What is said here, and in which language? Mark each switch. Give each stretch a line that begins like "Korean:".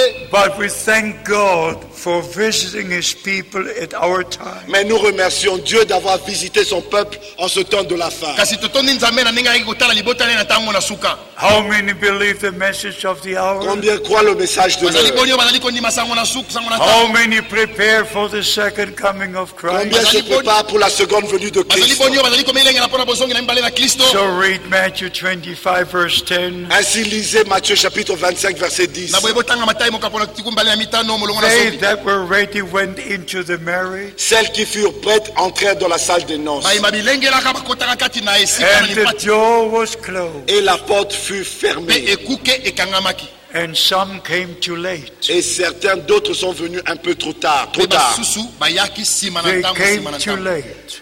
English: But we thank God for visiting his people at our time.
French: Mais nous remercions Dieu d'avoir visité son peuple en ce temps de la fin.
English: How many believe the message of the hour?
French: Combien croient le message de l'heure?
English: How many prepare for the second coming of Christ?
French: Combien se prépare pour la seconde venue de Christ?
English: So read Matthew 25 verse 10.
French: Ainsi lisez Matthieu chapitre 25 verset 10.
English: They that were ready went into the marriage.
French: Celles qui furent prêtes entrèrent dans la salle des noces.
English: The door was closed.
French: Et la porte fut fermée.
English: And some came too late.
French: Et certains d'autres sont venus un peu trop tard. Trop tard.
English: They came too late.